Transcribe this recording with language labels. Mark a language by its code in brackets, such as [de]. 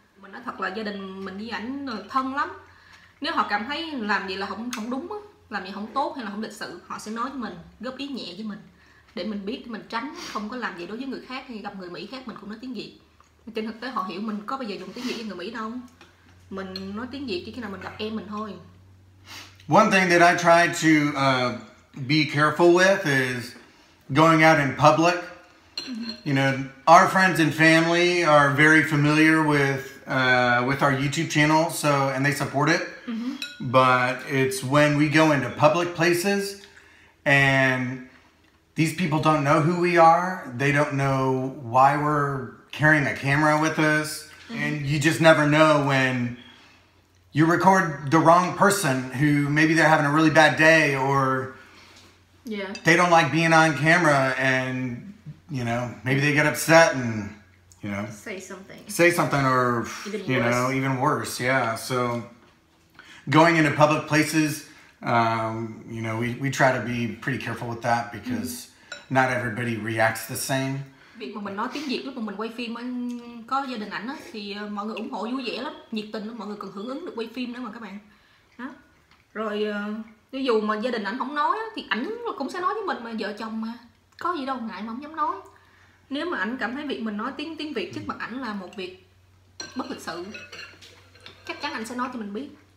[vi] Mình nói thật là gia đình mình với ảnh thân lắm. Nếu họ cảm thấy làm gì là không đúng, làm gì không tốt hay là không lịch sự, họ sẽ nói với mình, góp ý nhẹ với mình để mình biết, mình tránh không có làm gì đối với người khác hay gặp người Mỹ khác mình cũng nói tiếng Việt. Trên thực tế họ hiểu mình có bao giờ dùng tiếng Việt với người Mỹ đâu. Mình nói tiếng Việt chỉ khi nào mình gặp em mình thôi. [en] One thing that I try to be careful with is going out in public. You know, our friends and family are very familiar with our YouTube channel, so, and they support it. Mm-hmm. But it's when we go into public places and these people don't know who we are. They don't know why we're carrying a camera with us. Mm-hmm. And you just never know when you record the wrong person who maybe they're having a really bad day or they don't like being on camera and, you know, maybe they get upset and, you know, say something or, you know, even worse. Yeah. So going into public places, you know, we try to be pretty careful with that because not everybody reacts the same. [vi] Việc mà mình nói tiếng Việt lúc mà mình quay phim có gia đình ảnh á thì mọi người ủng hộ vui vẻ lắm, nhiệt tình lắm, mọi người còn hưởng ứng được quay phim nữa mà các bạn. Đó. Rồi ví dụ mà gia đình ảnh không nói thì ảnh cũng sẽ nói với mình mà, vợ chồng mà. Có gì đâu ngại mà không dám nói. Nếu mà ảnh cảm thấy việc mình nói tiếng Việt trước mặt ảnh là một việc bất lịch sự, chắc chắn ảnh sẽ nói cho mình biết.